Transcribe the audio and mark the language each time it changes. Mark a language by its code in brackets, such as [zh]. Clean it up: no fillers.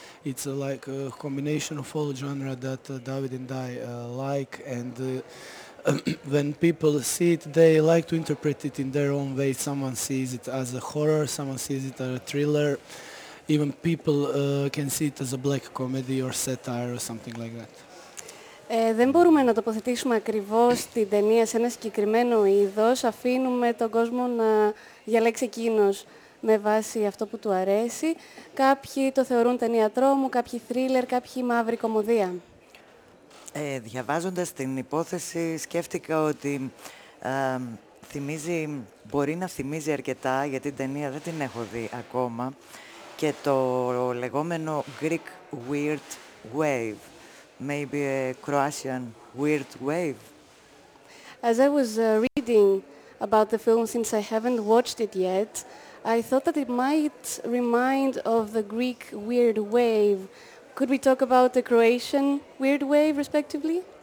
[en] It's like a combination of all genre that David and I like, and when people see it, they like to interpret it in their own way. Someone sees it as a horror, someone sees it as a thriller. Even people can see it as a black comedy or satire or something like that. [el] Δεν μπορούμε να τοποθετήσουμε ακριβώς την ταινία σε ένα συγκεκριμένο είδος. Αφήνουμε τον κόσμο να διαλέξει εκείνος με βάση αυτό που του αρέσει. Κάποιοι το θεωρούν ταινία τρόμου, κάποιοι θρίλερ, κάποιοι μαύρη κωμωδία. Διαβάζοντας την υπόθεση, σκέφτηκα ότι θυμίζει, μπορεί να θυμίζει αρκετά, γιατί την ταινία δεν την έχω δει ακόμα, και το λεγόμενο Greek Weird Wave. [en] Maybe a Croatian weird wave. As I was reading about the film, since I haven't watched it yet, I thought that it might remind of the Greek weird wave. Could we talk about the Croatian weird wave, respectively?